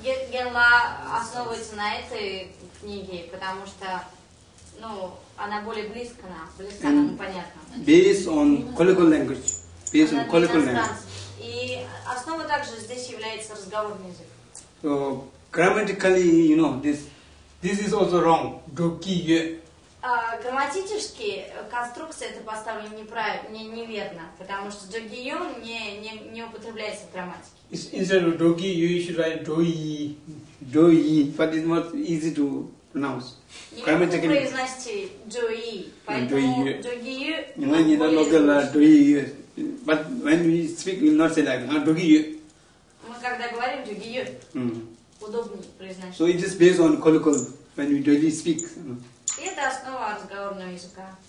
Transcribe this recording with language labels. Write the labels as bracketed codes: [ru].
[ru] Генла основывается на этой книге, потому что, ну, Она более близко нам, близко нам, понятно. [en] Based on colloquial language. Based on colloquial language. [ru] И основа также здесь является разговорный язык. [en] So grammatically, you know, this is also wrong. [bo] Doki ye. [ru] Грамматически конструкция эта поставлена неправильно, неверно, потому что doki ye не употребляется в грамматике. [en] Instead of doki, you should write doi. Doi, but it's not easy to pronounce. [ru] Грамматически. Вы произносите doi, поэтому [en] doki ye. [ru] Иногда много ла [en] doi ye, but when we speak, we'll not say like doki ye. [ru] Когда говорим дюгию, удобнее произносить. [en] So it is based on colloquial when we daily speak. [ru] Это основа разговорного языка.